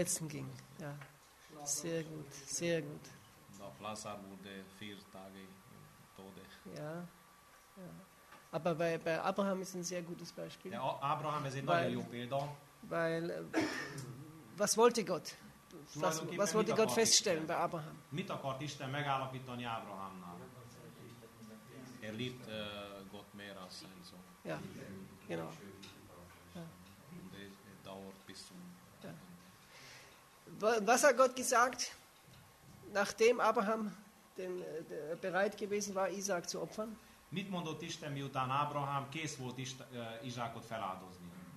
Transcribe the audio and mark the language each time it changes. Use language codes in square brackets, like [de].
[de] letzten ging. Ja. Sehr gut, sehr gut. Auf Lazar wurde 4 Tage tode. Ja, ja. Aber bei Abraham ist ein sehr gutes Beispiel. Ja, Abraham ist ein [hu] nagyon jó példa. [de] Weil, was wollte Gott? Was wollte Gott feststellen bei Abraham? [hu] Mit akart Isten megállapítani Abrahamnál? [de] Er liebt Gott mehr als sein Sohn. Ja, genau. Ja. Und er dauert bis zum... Ja. Was hat Gott gesagt, nachdem Abraham bereit gewesen war, Isaac zu opfern? [hu] Mit mondott Isten, miután Ábrahám kész volt Izsákot feláldozni?